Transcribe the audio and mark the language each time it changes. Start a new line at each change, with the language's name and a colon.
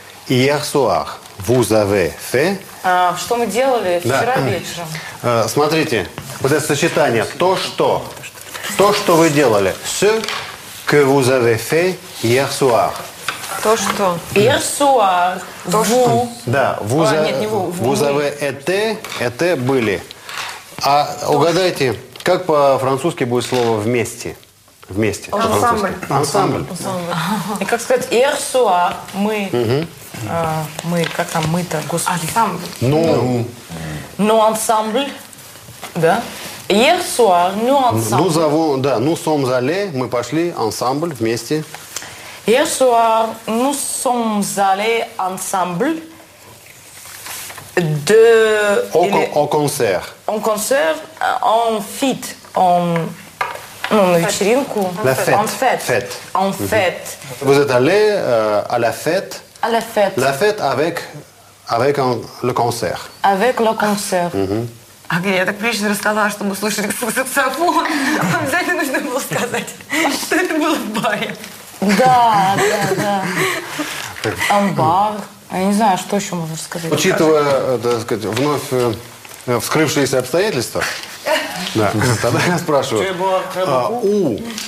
French: Hier soir, vous avez fait...
Russian: Что мы делали вчера вечером? Смотрите, вот это сочетание. То, что вы делали.
French: Ce que vous avez fait hier soir.
Russian: То, что...
French: Hier soir.
Russian: То, что... Да, vous, а, нет, не
French: vous avez été,
Russian: été были. А то, угадайте, что? Как по-французски будет слово «вместе»? Вместе. Ансамбль. Ансамбль. Ансамбль. И как сказать
French: «hier soir»
Russian: – мы... Угу. Мы, как там, мы-то, господи. Ансамбль. Ну, ансамбль, да.
French: Hier soir, nous ensemble. Nous avons, да, nous sommes allés,
Russian: мы пошли, ансамбль, вместе.
French: Hier soir, nous sommes allés ensemble de... En concert. En concert, en fête,
Russian: ну, на вечеринку.
French: La fête. En fête. Fête. En fête. Vous êtes allés à la fête. À la fête. La fête avec, avec un, le concert. Avec le concert. Mm-hmm.
Russian: Okay, я так прилично рассказала, чтобы слушать саксофон. Обязательно нужно было сказать, что это было в баре. Да, да, да. Амбар. Я не знаю, что еще можно сказать. Учитывая, так сказать, вновь вскрывшиеся обстоятельства, да, тогда я спрашиваю.